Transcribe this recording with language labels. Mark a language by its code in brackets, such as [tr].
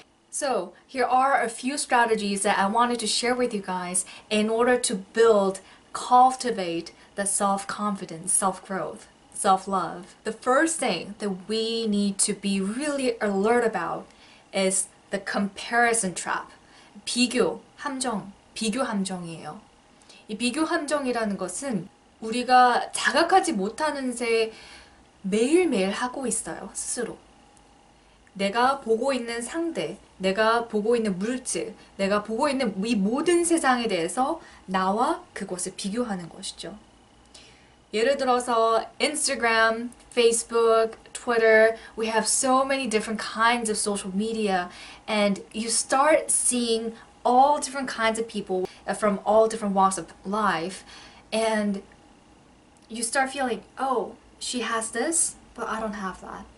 [en] So, here are a few strategies that I wanted to share with you guys in order to build, cultivate the self-confidence, self-growth, self-love. The first thing that we need to be really alert about is the comparison trap. [ko] 비교, 함정, 비교 함정이에요. 이 비교 함정이라는 것은 우리가 자각하지 못하는 새 매일매일 하고 있어요, 스스로. 내가 보고 있는 상대, 내가 보고 있는 물질, 내가 보고 있는 이 모든 세상에 대해서 나와 그것을 비교하는 것이죠. 예를 들어서 [en] 인스타그램, 페이스북, 트위터, we have so many different kinds of social media and you start seeing all different kinds of people from all different walks of life and you start feeling, oh, she has this, but I don't have that.